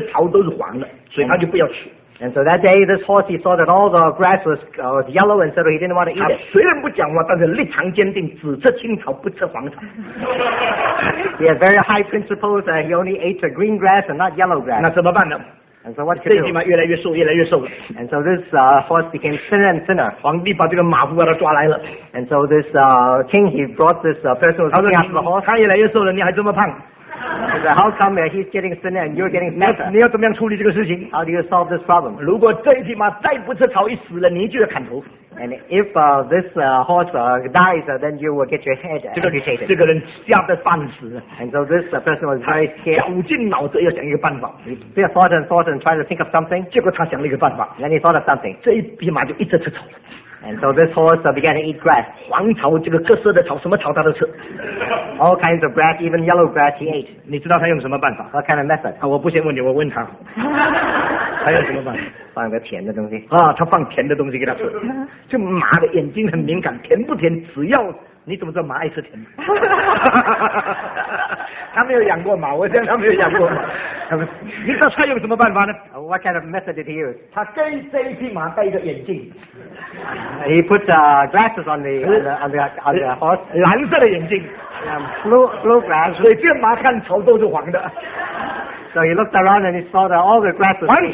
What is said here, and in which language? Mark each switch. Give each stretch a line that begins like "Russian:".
Chinese: 那这个人这匹马呢，他那一天看见所有的草都是黄的，所以他就不要吃。
English: And so that day, this horse, he saw that all the grass was yellow, and so he didn't want to eat it.
Chinese: 虽然不讲话，但是立场坚定，只吃青草不吃黄草。
English: He had very high principles, and he only ate the green grass and not yellow grass.
Chinese: 那怎么办呢？
English: And so what could do?
Chinese: 这匹马越来越瘦，越来越瘦了。
English: And so this horse became thinner and thinner.
Chinese: 皇帝把这个马夫把他抓来了。
English: And so this king, he brought this person who was looking after the horse.
Chinese: 他越来越瘦了，你还这么胖。
English: So how come he's getting thinner and you're getting fatter?
Chinese: 你要怎么样处理这个事情?
English: How do you solve this problem?
Chinese: 如果这匹马再不吃草一死了，你就要砍头。
English: And if this horse dies, then you will get your head amputated.
Chinese: 这个人吓得半死了。
English: And so this person was very scared.
Chinese: 绞尽脑汁要想一个办法。
English: He thought and thought and tried to think of something.
Chinese: 结果他想了一个办法。
English: Then he thought of something.
Chinese: 这一匹马就一直吃草。
English: And so this horse began to eat grass.
Chinese: 黄草，这个各色的草，什么草他都吃。
English: All kinds of grass, even yellow grass he ate.
Chinese: 你知道他用什么办法?
English: What kind of method?
Chinese: 我不先问你，我问他。还有什么办法？放个甜的东西。啊，他放甜的东西给他吃。这马的眼睛很敏感，甜不甜，只要你怎么知道马爱吃甜的？他没有养过马，我想他没有养过马。你知道他用什么办法呢？
English: What kind of method did he use?
Chinese: 他跟谁匹马戴着眼镜？
English: He put glasses on the horse.
Chinese: 蓝色的眼镜。
English: Blue glasses.
Chinese: 所以这马看草都是黄的。
English: So he looked around and he saw that all the grass was green.